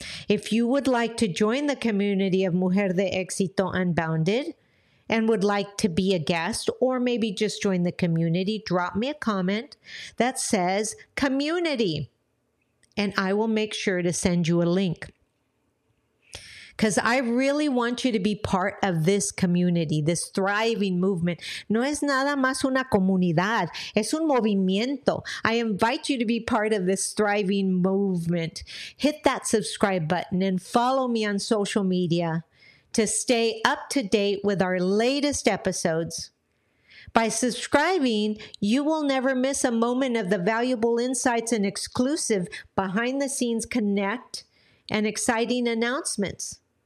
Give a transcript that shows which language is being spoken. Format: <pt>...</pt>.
<en>If you would like to join the community of Mujer de Éxito Unbounded and would like to be a guest or maybe just join the community, drop me a comment that says community, and I will make sure to send you a link. Because I really want you to be part of this community, this thriving movement.</en> <es>No es nada más una comunidad, es un movimiento.</es> <en>I invite you to be part of this thriving movement. Hit that subscribe button and follow me on social media to stay up to date with our latest episodes. By subscribing, you will never miss a moment of the valuable insights and exclusive behind-the-scenes connect and exciting announcements.</en>